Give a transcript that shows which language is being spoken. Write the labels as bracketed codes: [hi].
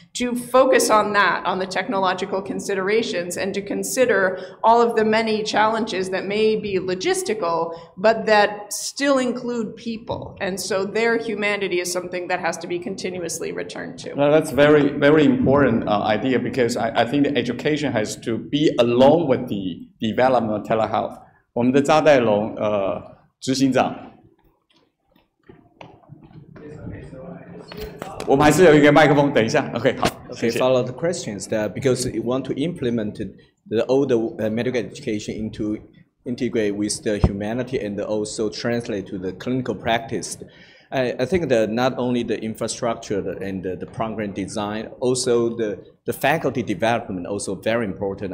[en] to focus on that, on the technological considerations, and to consider all of the many challenges that may be logistical, but that still include people. And so their humanity is something that has to be continuously returned to. Now, that's very, very important idea, because I think the education has to be along with the development of telehealth. [zh] 我们的扎代龙，执行长，我们还是有一个麦克风，等一下 ，OK， 好 [en] ，OK， [zh] 谢谢 [en] follow the questions that because you want to implement the old medical education into integrate with the humanity and also translate to the clinical practice. I think that not only the infrastructure and the program design, also the faculty development also very important.